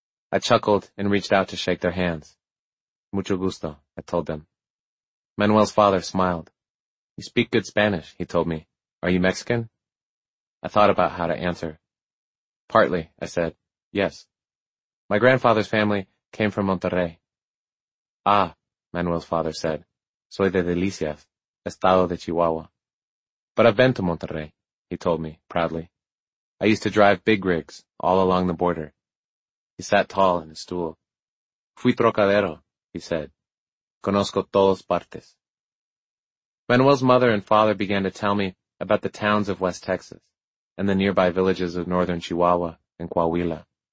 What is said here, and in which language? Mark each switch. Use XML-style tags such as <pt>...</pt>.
<en>I chuckled and reached out to shake their hands.</en> <es>Mucho gusto,</es> <en>I told them. Manuel's father smiled. You speak good Spanish, he told me. Are you Mexican? I thought about how to answer. Partly, I said. Yes. My grandfather's family came from Monterrey. Ah, Manuel's father said.</en> <es>Soy de Delicias, Estado de Chihuahua.</es> <en>But I've been to Monterrey, he told me, proudly. I used to drive big rigs all along the border. He sat tall in his stool.</en> <es>Fui trocadero,</es> <en>he said.</en> <es>Conozco todas partes.</es> <en>Manuel's mother and father began to tell me about the towns of West Texas and the nearby villages of northern Chihuahua and Coahuila.</en>